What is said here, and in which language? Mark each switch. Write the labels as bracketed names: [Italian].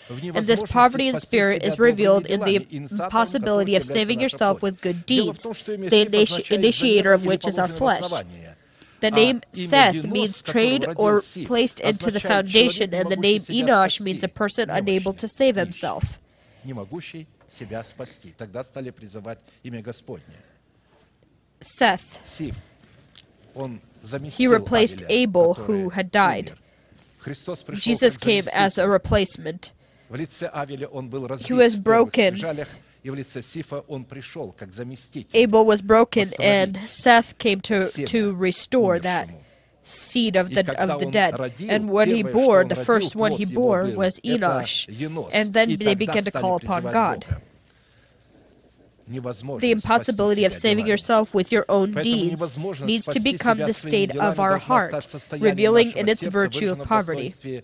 [English] And this poverty in spirit is revealed in the possibility of saving yourself with good deeds, the initiator of which is our flesh. The name Seth means trained or placed into the foundation, and the name Enosh means a person unable to save himself. [Russian] Себя спасти. Тогда стали призывать имя Господне. [English] Seth. [Russian] Сив. Он заместил. [English] He replaced Abel, who had died. [Russian] Христос пришел. [English] Jesus came as a replacement. [Russian] В лице Авеля он был разбит. [English] He was broken. [Russian] И в лице Сифа он пришел как заместитель. [English] Abel was broken, and Seth came to restore that seed of the dead. And when he bore, the first one he bore was Enosh. And then they began to call upon God. The impossibility of saving yourself with your own deeds needs to become the state of our heart, revealing in its virtue of poverty.